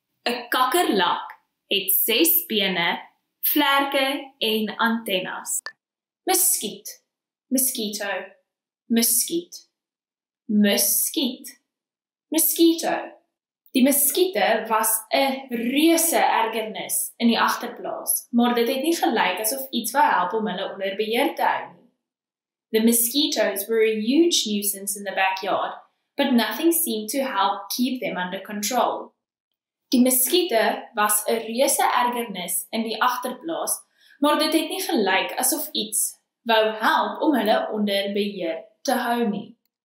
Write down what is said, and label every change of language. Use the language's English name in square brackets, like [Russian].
[Afrikaans] 'N kakkerlak het 6 bene, vlerke en antennas. Muskiet. [English] Mosquito. [Afrikaans] Muskiet. Muskiet. [English] Mosquito. [Afrikaans] Die muskiete was 'n reuse ergernis in die agterplaas, maar dit het nie gelyk asof iets wou help om hulle onder beheer te hou nie. [English] The mosquitoes were a huge nuisance in the backyard, but nothing seemed to help keep them under control. [Afrikaans] Die muskiete was 'n reuse ergernis in die agterplaas, maar dit het nie gelyk asof iets wou help om hulle onder beheer te hou nie.